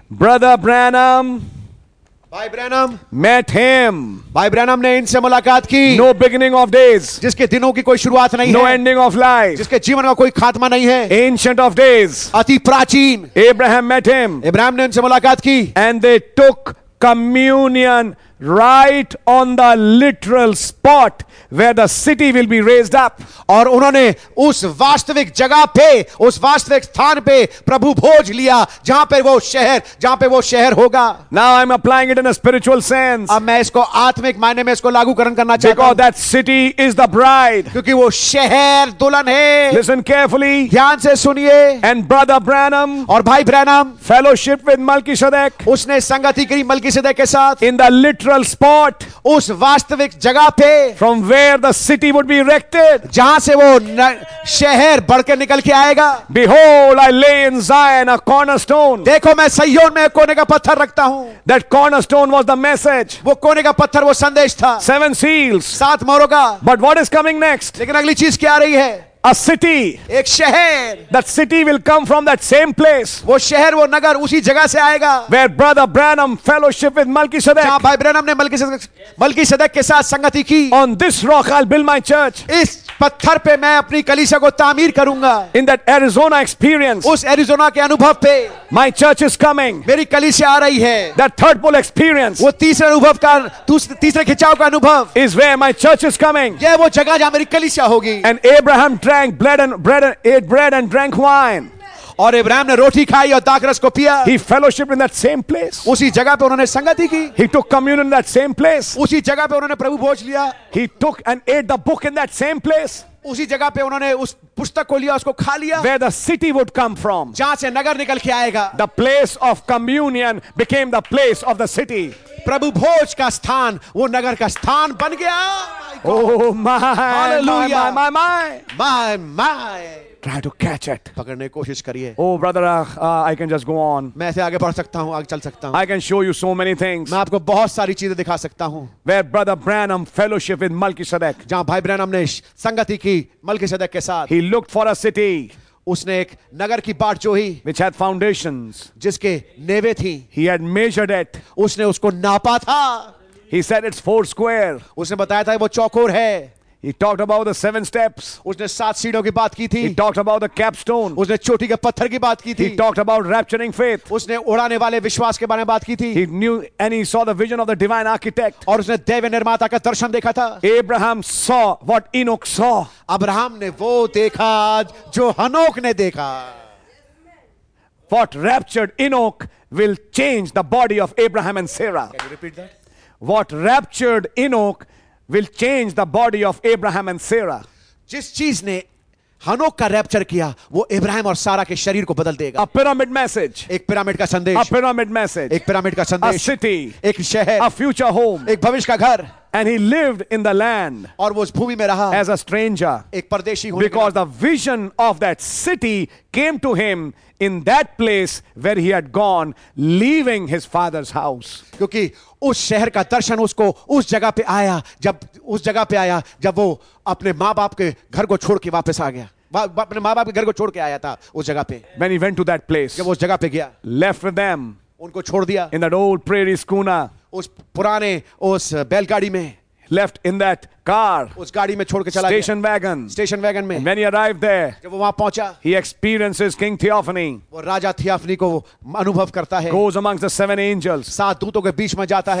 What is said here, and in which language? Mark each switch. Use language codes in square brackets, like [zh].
[en] Brother Branham. [hi] भाई Branham. [en] Met him. [hi] भाई Branham ने इनसे मुलाकात की. [en] No beginning of days. [hi] जिसके दिनों की कोई शुरुआत नहीं. [en] No ending of life. [hi] जिसके जीवन का कोई खात्मा नहीं है. [en] Ancient of days. [hi] अति प्राचीन. [en] Abraham met him. [hi] Abraham ने इनसे मुलाकात की. [en] And they took communion right on the literal spot where the city will be raised up. [hi] और उन्होंने उस वास्तविक जगह पे, उस वास्तविक स्थान पे प्रभु भोज लिया, जहां पे वो शहर, जहां पे वो शहर होगा. [en] Now I'm applying it in a spiritual sense. [hi] अब मैं इसको आत्मिक मायने में इसको लागूकरण करना चाहता हूं. [en] Because that city is the bride. [hi] क्योंकि वो शहर दुल्हन है. [en] Listen carefully. [hi] ध्यान से सुनिए. [en] And brother Branham. [hi] और भाई ब्रैनम. [en] Fellowship with Melchizedek. [hi] उसने संगति करी Melchizedek के साथ. [en] In the literal spot. [hi] उस वास्तविक जगह पे. [en] From where the city would be erected. [hi] जहां से वो शहर बढ़कर निकल के आएगा. [en] Behold, I lay in Zion a cornerstone. [hi] देखो मैं सय्योन में कोने का पत्थर रखता हूँ. [en] That cornerstone was the message. [hi] वो कोने का पत्थर वो संदेश था. [en] Seven seals. [hi] सात मोहरों का. [en] But what is coming next? [hi] लेकिन अगली चीज क्या आ रही है? [en] A city. [hi] एक शहर. [en] That city will come from that same place. [hi] वो शहर, वो नगर उसी जगह से आएगा. [en] Where brother Branham fellowship with Melchizedek. [hi] जहाँ भाई ब्रैनम ने Melchizedek के साथ संगति की. [en] On this rock I'll build my church. [hi] इस पत्थर पे मैं अपनी कलीसिया को तामीर करूंगा. [en] In that Arizona experience. [hi] उस एरिजोना के अनुभव पे. [en] My church is coming. [hi] मेरी कलीसिया आ रही है. [en] That third pole experience. [hi] वो तीसरे अनुभव का, तीसरे खिंचाव का अनुभव. [en] Is where my church is coming. [hi] ये वो जगह जहाँ मेरी कलीसिया होगी. [en] And Abraham drank bread and drank wine. [hi] और इब्राहिम ने रोटी खाई और दाखरस को पिया. [en] He fellowshiped in that same place. [hi] उसी जगह पे उन्होंने संगति की. [en] He took communion in that same place. [hi] उसी जगह पे उन्होंने प्रभु भोज लिया. [en] He took and ate the book in that same place. [hi] उसी जगह पे उन्होंने उस पुस्तक को लिया, उसको खा लिया. [en] Where the city would come from. [hi] जहां से नगर निकल के आएगा. [en] The place of communion became the place of the city. [hi] प्रभु भोज का स्थान वो नगर का स्थान बन गया. [en] Oh my, hallelujah. My. Try to catch it. [hi] पकड़ने की कोशिश करिए. [en] Oh brother, I can just go on. [hi] मैं ऐसे आगे बढ़ सकता हूँ, आगे चल सकता हूँ. [en] I can show you so many things. [hi] मैं आपको बहुत सारी चीजें दिखा सकता हूँ. [en] Where brother Branham fellowship with Melchizedek. [hi] जहाँ भाई ब्रैनम ने संगति की Melchizedek के साथ. [en] He looked for a city. [hi] उसने एक नगर की बाट जोही. [en] Which had foundations. [hi] जिसके नेवे थी. [en] He had measured it. [hi] उसने उसको नापा था. [en] He said it's four square. [hi] उसने बताया था वो चौकोर है. [en] He talked about the seven steps. [hi] उसने सात सीढ़ियों की बात की थी. [en] He talked about the capstone. [hi] उसने चोटी के पत्थर की बात की थी. [en] He talked about rapturing faith. [hi] उसने उड़ाने वाले विश्वास के बारे में बात की थी. [en] He knew and he saw the vision of the divine architect. [hi] और उसने देव निर्माता का दर्शन देखा था. [en] Abraham saw what Enoch saw. [hi] Abraham ने वो देखा जो हनोक ने देखा. [en] What raptured Enoch will change the body of Abraham and Sarah. Can you repeat that? What raptured Enoch will change the body of Abraham and Sarah. [hi] जिस चीज ने हनोक का रैप्चर किया वो इब्राहिम और सारा के शरीर को बदल देगा. [en] A pyramid message. [hi] एक पिरामिड का संदेश. [en] A pyramid message. [hi] एक पिरामिड का संदेश. [en] A city. [hi] एक शहर. [en] A future home. [hi] एक भविष्य का घर. [en] And he lived in the land. [hi] और वो उस भूमि में रहा. [en] As a stranger. [hi] एक परदेशी. [en] Because the vision of that city came to him in that place where he had gone, leaving his father's house. [hi] क्योंकि उस शहर का दर्शन उसको उस जगह पे आया जब वो अपने माँ बाप के घर को छोड़ के वापस आ गया. अपने माँ बाप के घर को छोड़ के आया था उस जगह पे. [en] When he went to that place. [hi] जब उस जगह पे गया. [en] Left with them. [hi] उनको छोड़ दिया. [en] In that old prairie schooner. [hi] उस पुराने उस बैलगाड़ी में. [en] Left in that car. [hi] उस गाड़ी में छोड़ के चला. [en] Station wagon. [hi] Station wagon में. [en] And when he arrived there. [hi] जब वो वहाँ पहुँचा. [en] He experiences King Theophany. [hi] वो राजा Theophany को अनुभव करता है. [en] Goes amongst the seven angels. [hi] सात दूतों के बीच में जाता है.